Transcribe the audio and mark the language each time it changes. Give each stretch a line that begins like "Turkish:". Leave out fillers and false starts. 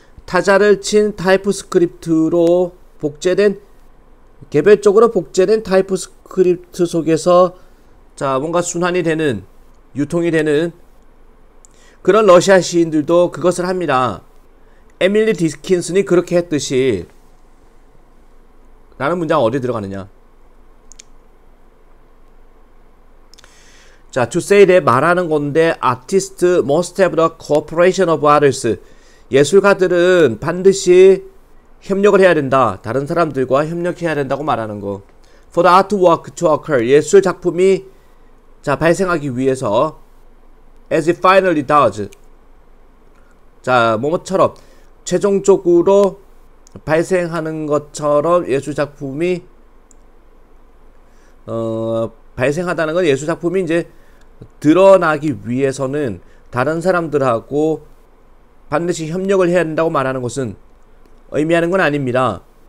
Korean: 타자를 친 타이프스크립트로 복제된 개별적으로 복제된 타이프스크립트 속에서 자, 뭔가 순환이 되는 유통이 되는 그런 러시아 시인들도 그것을 합니다. 에밀리 디킨슨이 그렇게 했듯이 라는 문장 어디 들어가느냐?
English: 자, to say that
Korean: 말하는 건데,
English: artists must have the cooperation of others.
Korean: 예술가들은 반드시 협력을 해야 된다. 다른 사람들과 협력해야 된다고 말하는 거.
English: For the artwork to occur,
Korean: 예술 작품이 자 발생하기 위해서,
English: as it finally does.
Korean: 자, 뭐뭐처럼 최종적으로 발생하는 것처럼 예술 작품이 발생하다는 건 예술 작품이 이제 드러나기 위해서는 다른 사람들하고 반드시 협력을 해야 된다고 말하는 것은 의미하는 건 아닙니다.